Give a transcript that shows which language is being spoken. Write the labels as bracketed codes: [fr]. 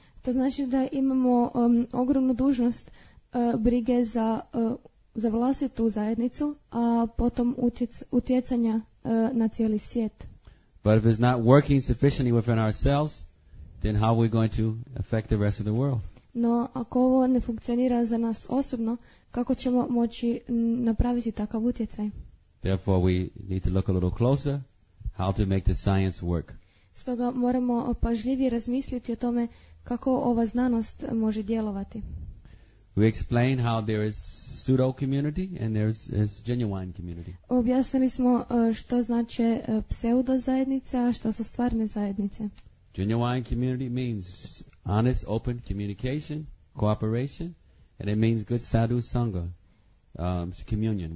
[hr] To znači da imamo ogromnu dužnost brige za, za vlastitu zajednicu, a potom utjecanja na cijeli svijet. [en] But if it's not working sufficiently within ourselves, then how are we going to affect the rest of the world? [hr] No, ako ovo ne funkcionira za nas osobno, kako ćemo moći napraviti takav utjecaj? [en] Therefore we need to look a little closer how to make the science work. [hr] Stoga moramo pažljivije razmisliti o tome kako ova znanost može djelovati. [en] We explain how there is pseudo community and there is genuine community. [hr] Objasnili smo što znači pseudo zajednica, a što su stvarne zajednice. [en] Genuine community means honest, open communication, cooperation, and it means good sadhu sangha, communion.